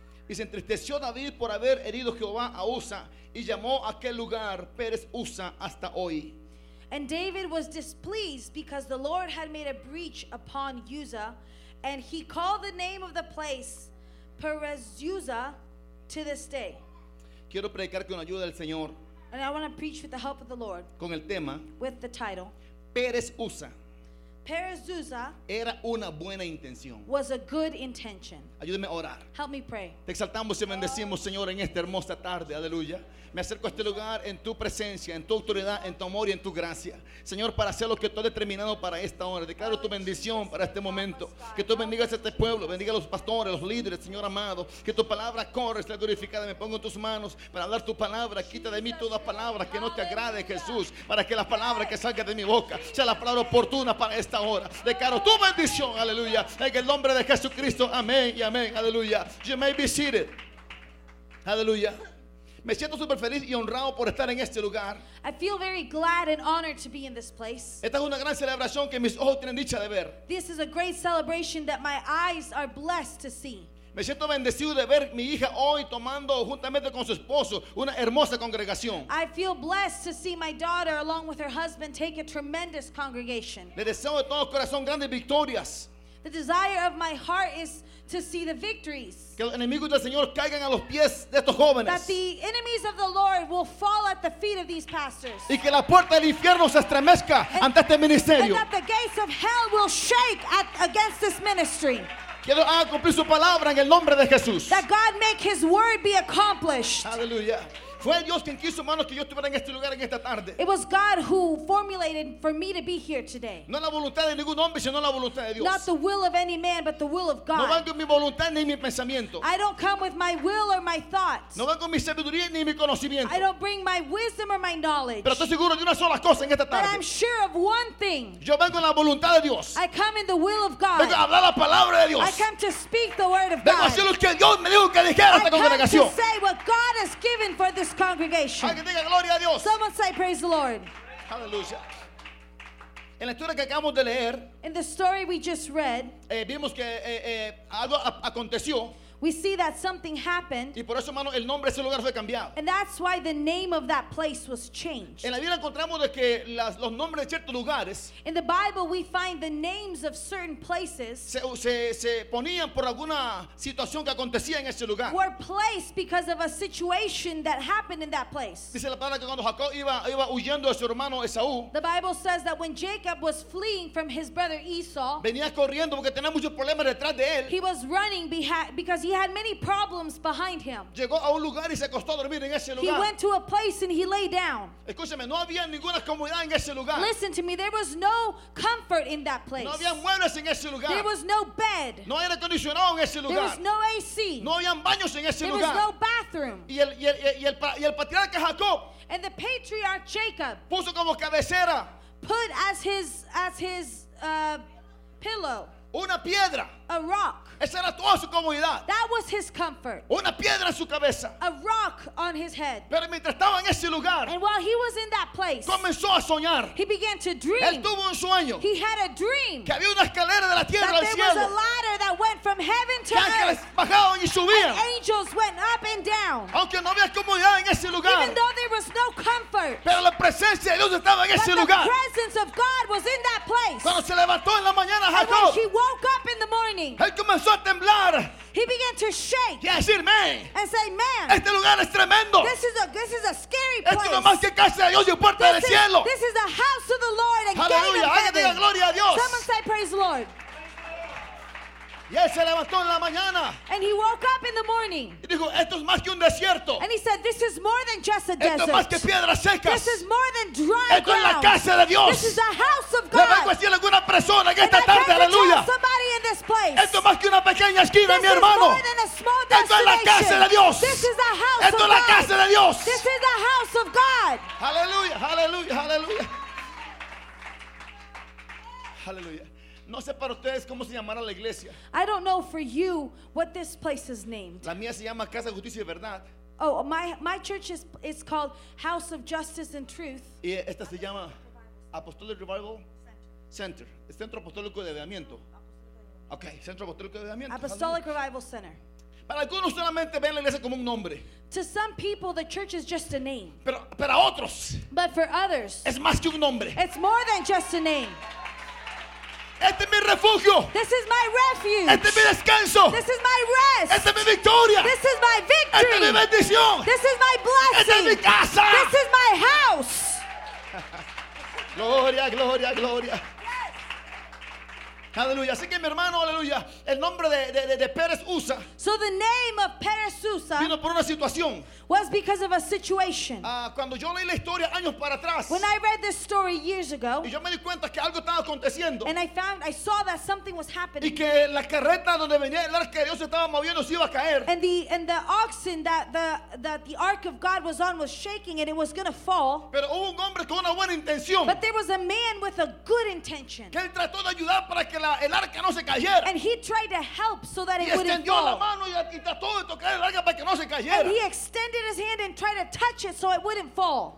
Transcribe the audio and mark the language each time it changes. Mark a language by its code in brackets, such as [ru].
[es] Y se entristeció David por haber herido Jehová a Uzza, y llamó aquel lugar Pérez Uzza hasta hoy. [en] And David was displeased because the Lord had made a breach upon Uzza, and he called the name of the place Perez Uzza to this day. [es] Quiero predicar con ayuda del Señor. [en] And I want to preach with the help of the Lord. [es] Con el tema. [en] With the title. [es] Pérez Uzza. [en] Pérez Uzza [es] era una buena intención. [en] Was a good intention. [es] Ayúdeme a orar. [en] Help me pray. [es] Te exaltamos y bendecimos, Señor, en esta hermosa tarde. Aleluya. Me acerco a este lugar en tu presencia, en tu autoridad, en tu amor y en tu gracia, Señor, para hacer lo que tú has determinado para esta hora. Declaro tu bendición para este momento. Que tú bendigas a este pueblo, bendiga a los pastores, los líderes, Señor amado. Que tu palabra corra, sea glorificada. Me pongo en tus manos para hablar tu palabra. Quita de mí toda palabra que no te agrade, Jesús, para que la palabra que salga de mi boca sea la palabra oportuna para esta hora. Declaro tu bendición, aleluya, en el nombre de Jesucristo, amén y amén, aleluya. [en] You may be seated. [es] Aleluya. Me siento super feliz y honrado por estar en este lugar. [en] I feel very glad and honored to be in this place. [es] Esta es una gran celebración que mis ojos tienen dicha de ver. [en] This is a great celebration that my eyes are blessed to see. [es] Me siento bendecido de ver mi hija hoy tomando juntamente con su esposo una hermosa congregación. [en] I feel blessed to see my daughter along with her husband take a tremendous congregation. [es] Le deseo de todo corazón grandes victorias. [en] The desire of my heart is to see the victories. [es] Que los enemigos del Señor caigan a los pies de estos jóvenes. [en] That the enemies of the Lord will fall at the feet of these pastors. [es] Y que la puerta del infierno se estremezca ante este ministerio. [en] And that the gates of hell will shake against this ministry. [es] Que Dios haga cumplir su palabra en el nombre de Jesús. [en] That God make his word be accomplished. [es] Aleluya. Fue Dios quien quiso, hermanos, que yo estuviera en este lugar en esta tarde. [en] It was God who formulated for me to be here today. [es] No la voluntad de ningún hombre, sino la voluntad de Dios. [en] Not the will of any man, but the will of God. [es] No vengo mi voluntad ni mi pensamiento. [en] I don't come with my will or my thoughts. [es] No vengo mi sabiduría ni mi conocimiento. [en] I don't bring my wisdom or my knowledge. [es] Pero estoy seguro de una sola cosa en esta tarde. [en] But I'm sure of one thing. [es] Yo vengo en la voluntad de Dios. [en] I come in the will of God. [es] Vengo a hablar la palabra de Dios. [en] I come to speak the word of [es] vengo [en] God. [es] Vengo a hacer lo que Dios me dijo que dijera a esta congregación. [en] I come to say what God has given for this congregation. Someone say praise the Lord. [es] Hallelujah. En la historia que acabamos de leer, [en] in the story we just read, [es] vimos que algo aconteció. [en] We see that something happened. [es] Y por eso, hermano, el nombre de ese lugar fue cambiado. [en] And that's why the name of that place was changed. [es] En la Biblia encontramos de que los nombres de ciertos lugares, [en] in the Bible we find the names of certain places, [es] se ponían por alguna situación que acontecía en ese lugar, [en] were placed because of a situation that happened in that place. [es] Dice la palabra que cuando Jacob iba huyendo de su hermano Esaú, [en] the Bible says that when Jacob was fleeing from his brother Esau, [es] venía corriendo porque tenía muchos problemas detrás de él. [en] He was running because he had many problems behind him. [es] Llegó a un lugar y se acostó a dormir en ese lugar. [en] He went to a place and he lay down. [es] Escúcheme, no había ninguna comodidad en ese lugar. [en] Listen to me, there was no comfort in that place. [es] No había muebles en ese lugar. [en] There was no bed. [es] No aire acondicionado en ese lugar. [en] There was no AC. [es] No habían baños en ese [en] there [es] lugar. [en] There was no bathroom. [es] Y el patriarca Jacob. [en] And the patriarch Jacob. [es] Puso como cabecera. [en] Put as his pillow. [es] Una piedra. [en] A rock. [es] Esa era toda su comodidad. [en] That was his comfort. [es] Una piedra en su cabeza. [en] A rock on his head. [es] Pero mientras estaba en ese lugar, [en] and while he was in that place, [es] comenzó a soñar. [en] He began to dream. [es] Él tuvo un sueño. [en] He had a dream. [es] Que había una escalera de la tierra al cielo. [en] That there was a ladder that went from heaven to earth. [es] Que ángeles bajaban y subían. [en] And angels went up and down. [es] Aunque no había comodidad en ese lugar, [en] even though there was no comfort, [es] pero la presencia de Dios estaba en ese lugar. [en] But the presence of God was in that place. [es] Cuando se levantó en la mañana Jacob, [en] and when he woke up in the morning, [es] él comenzó a temblar. [en] He began to shake. [es] Y decir, man, [en] and say, man, [es] este lugar es tremendo. [en] This is a scary place. [es] Esto no más que casa de Dios y puerta del cielo. [en] This is the house of the Lord and gate of heaven. [es] Alguien diga gloria a Dios. [en] Someone say praise the Lord. [es] Y él se levantó en la mañana. [en] And he woke up in the morning. [es] Y dijo, esto es más que un desierto. [en] And he said, this is more than just a desert. [es] Esto es más que piedras secas. [en] This is more than dry ground. [es] Esto es la casa de Dios. [en] This is the house of God. [es] Le vengo a decir a alguna persona en esta tarde, aleluya. [en] And I came to tell somebody in this place. [es] Esto es más que una pequeña esquina, [en] this [es] mi hermano. [en] This is more than a small destination. [es] Esto es la casa de Dios. [en] This is the house of God. [es] Esto es la casa de Dios. [en] This is the house of God. [es] Aleluya, aleluya, aleluya. Aleluya. No sé para ustedes cómo se llamará la iglesia. [en] I don't know for you what this place is named. [es] La mía se llama Casa de Justicia y Verdad. [en] Oh, my church is called House of Justice and Truth. [es] Y esta se llama Apostolic Revival Center. Centro Apostólico de Avivamiento. Okay, Centro Apostólico de Avivamiento. [en] Apostolic Revival Center. [es] Para algunos solamente ven la iglesia como un nombre. [en] To some people, the church is just a name. [es] Pero para otros, [en] but for others, [es] es más que un nombre. [en] It's more than just a name. [es] Este es mi refugio. [en] This is my refuge. [es] Este es mi descanso. [en] This is my rest. [es] Esta es mi victoria. [en] This is my victory. [es] Esta es mi bendición. [en] This is my blessing. [es] Esta es mi casa. [en] This is my house. [es] Gloria, gloria, gloria. [en] Yes. [es] Aleluya. Así que mi hermano, aleluya, el nombre de Pérez Usa. [en] So the name of Pérez Usa [es] vino por una situación. [en] Was because of a situation. [es] Cuando yo leí la historia años para atrás, [en] when I read this story years ago, [es] y yo me di cuenta que algo estaba aconteciendo. [en] And I saw that something was happening. [es] Y que la carreta donde venía el arca de Dios estaba moviendo, se iba a caer. [en] And the oxen that the ark of God was on was shaking and it was going to fall. [es] Pero hubo un hombre con una buena intención. [en] But there was a man with a good intention. [es] Que él trató de ayudar para que el arca no se cayera. [en] And he tried to help so that it wouldn't fall. [es] Y extendió la mano y trató de tocar el arca para que no se cayera. [en] And he extended his hand and tried to touch it so it wouldn't fall.